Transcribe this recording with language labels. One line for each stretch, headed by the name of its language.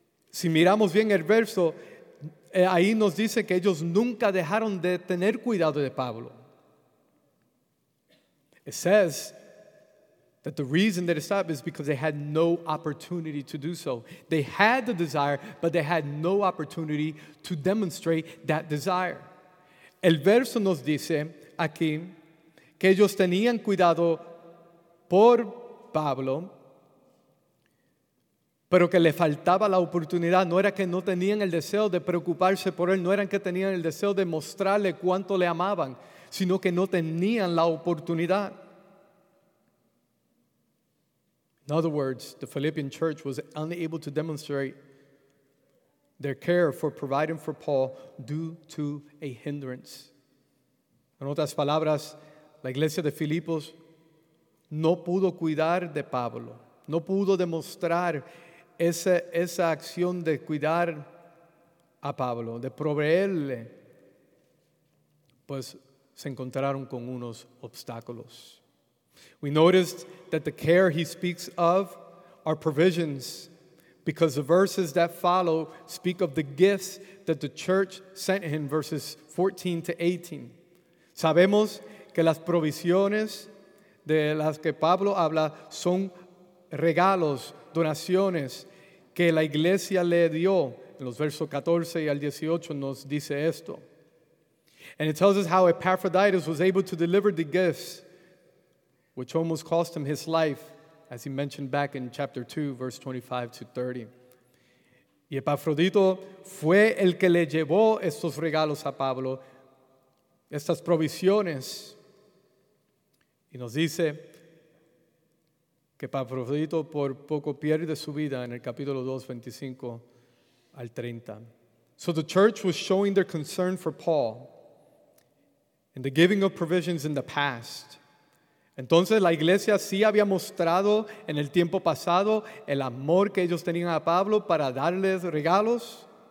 Spanish: Si miramos bien el verso, ahí nos dice que ellos nunca dejaron de tener cuidado de Pablo.
English: It says that the reason that it stopped is because they had no opportunity to do so. They had the desire, but they had no opportunity to demonstrate that desire.
Spanish: El verso nos dice aquí que ellos tenían cuidado por Pablo, pero que le faltaba la oportunidad. No era que no tenían el deseo de preocuparse por él, no eran que tenían el deseo de mostrarle cuánto le amaban, sino que no tenían la oportunidad.
English: In other words, the Philippian church was unable to demonstrate their care for providing for Paul due to a hindrance.
Spanish: En otras palabras, la iglesia de Filipos no pudo cuidar de Pablo, no pudo demostrar esa acción de cuidar a Pablo, de proveerle, pues se encontraron con unos obstáculos.
English: We noticed that the care he speaks of are provisions, because the verses that follow speak of the gifts that the church sent him, verses 14 to 18.
Spanish: Sabemos que las provisiones de las que Pablo habla son regalos, donaciones que la iglesia le dio. En los versos 14 y al 18 nos dice esto.
English: And it tells us how Epaphroditus was able to deliver the gifts, which almost cost him his life, as he mentioned back in chapter 2, verse 25 to 30.
Spanish: Y Epafrodito fue el que le llevó estos regalos a Pablo, estas provisiones. Y nos dice que Epafrodito por poco pierde su vida en el capítulo 2, 25 al 30.
English: So the church was showing their concern for Paul and the giving of provisions in the past.
Spanish: Entonces la iglesia sí había mostrado en el tiempo pasado el amor que ellos tenían a Pablo para darles regalos.